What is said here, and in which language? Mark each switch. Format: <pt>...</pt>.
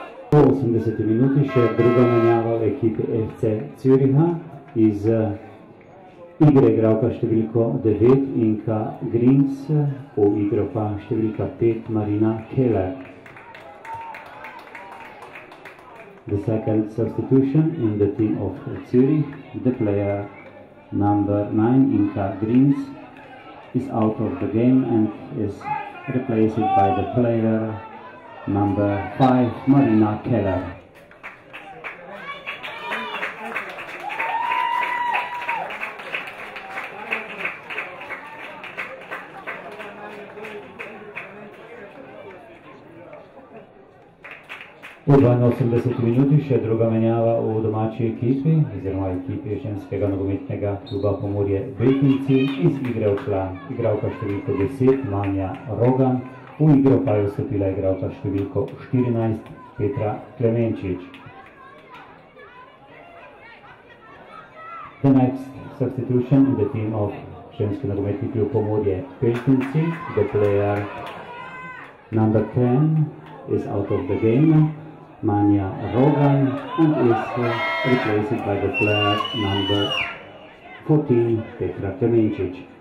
<sl>Po 80 minuty še druga menjava ekipi FC Züricha iz igre igralka številko 9 Inka Grinc, v igro pa številka 5 Marina Keller.</sl> <en>The second substitution in the team of Zürich, the player number 9 Inka Grinc is out of the game and is replaced by the player number 5, Marina Keller.</en> <sl>Po 82 minuti še druga menjava v domači ekipi, oziroma ekipi ženskega nogometnega kluba Pomurje Britnici, iz igre ušla igralka številko 10, Manja Rogan, v igro pa je vstopila igralka številko 14, Petra Klemenčič.</sl> <en>The next substitution in the team of ženski nogometni klub Pomurje Britnici, the player number 10 is out of the game, Manja Rogan, and is replaced by the player number 14, Petra Klemenčič.</en>